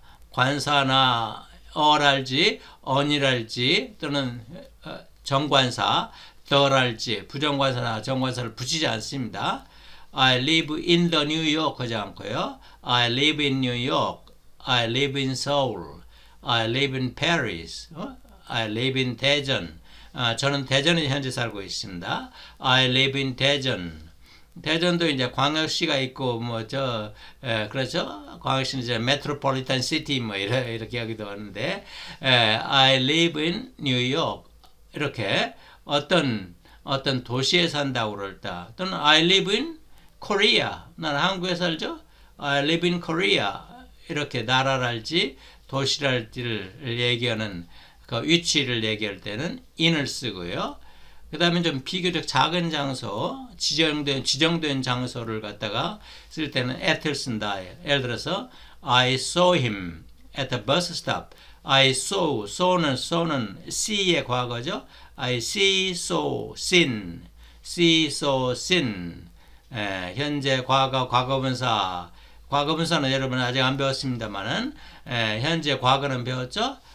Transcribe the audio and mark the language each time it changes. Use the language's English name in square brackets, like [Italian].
[Korean] 관사나 어랄지 언이랄지 또는 정관사 덜할지 부정관사나 정관사를 붙이지 않습니다. [English] I live in the New York [Korean] 하지 않고요. [English] I live in New York. I live in Seoul. I live in Paris. I live in 대전. [Korean] 저는 대전에 현재 살고 있습니다. [English] I live in 대전. [Korean] 대전도 이제 광역시가 있고 뭐저 그렇죠? 광역시는 이제 메트로폴리탄 시티 뭐 이렇게 하기도 하는데 [English] I live in New York [Korean] 이렇게 어떤 도시에 산다고 그럴까? 또는 [English] I live in Korea. [Korean] 나는 한국에 살죠? [English] I live in Korea. [Korean] 이렇게 나라랄지 도시랄지를 얘기하는 그 위치를 얘기할 때는 in을 쓰고요. 그 다음에 좀 비교적 작은 장소, 지정된 장소를 갖다가 쓸 때는 at을 쓴다. 예를 들어서, [English] I saw him at the bus stop. [Korean] I saw는 see의 과거죠. [English] I see, saw, seen. See, saw, seen. [Korean] 현재 과거, 과거분사. 과거분사는 여러분 아직 안 배웠습니다만은, 현재 과거는 배웠죠?